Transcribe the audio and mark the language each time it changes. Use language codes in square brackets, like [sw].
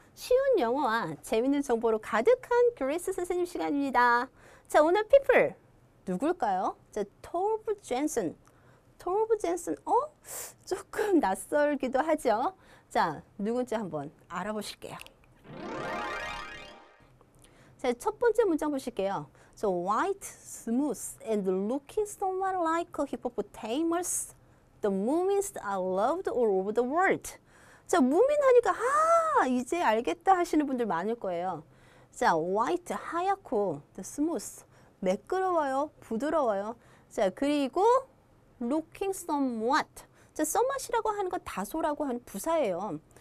[ko] 쉬운 영어와 재미있는 정보로 가득한 그레이스 선생님 시간입니다. 자, 오늘 people 누굴까요? 자, 토브 젠슨. 토브 젠슨 조금 낯설기도 하죠. 자, 누군지 한번 알아보실게요. 자, 첫 번째 문장 보실게요. [en] So white, smooth and looking somewhat like a hippopotamus. The moomins are loved all over the world. [ko] 자, 무민 하니까 아, 이제 알겠다 하시는 분들 많을 거예요. 자, white, 하얗고, the smooth, 매끄러워요, 부드러워요. 자, 그리고 [en] looking somewhat. [ko] 자, somewhat이라고 하는 건 다소라고 하는 부사예요.